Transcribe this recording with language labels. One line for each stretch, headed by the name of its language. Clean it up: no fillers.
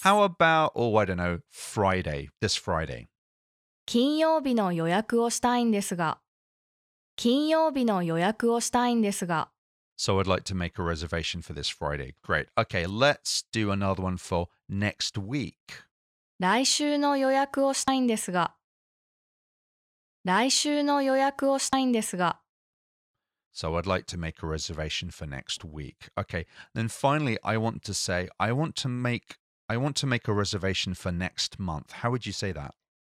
English: How about, I don't know, Friday, this Friday.
Japanese: 金曜日の予約をしたいんですが。金曜日の予約をしたいんですが。
English: So I'd like to make a reservation for this Friday. Great. Okay, let's do another one for next week.
Japanese: 来週の予約をしたいんですが。来週の予約をしたいんですが。
English: So I'd like to make a reservation for next week. Okay, then finally, I want to make a reservation for next month. How would you say that?